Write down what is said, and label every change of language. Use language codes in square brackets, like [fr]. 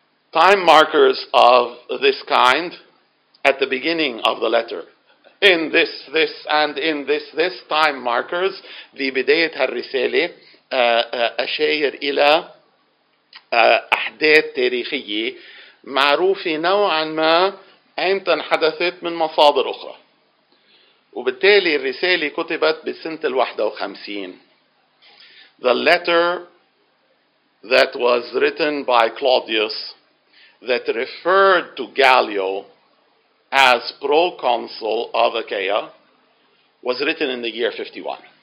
[en] Time markers of this kind at the beginning of the letter. In this, this, and in this, this time markers, [ar] في بداية الرسالة أشير إلى أحداث تاريخية معروفة نوعا ما أين تنحدثت من مصادر أخرى. وبالتالي الرسالة كتبت بسنة 51. [en] The letter that was written by Claudius that referred to Gallio as proconsul of Achaia was written in the year 51.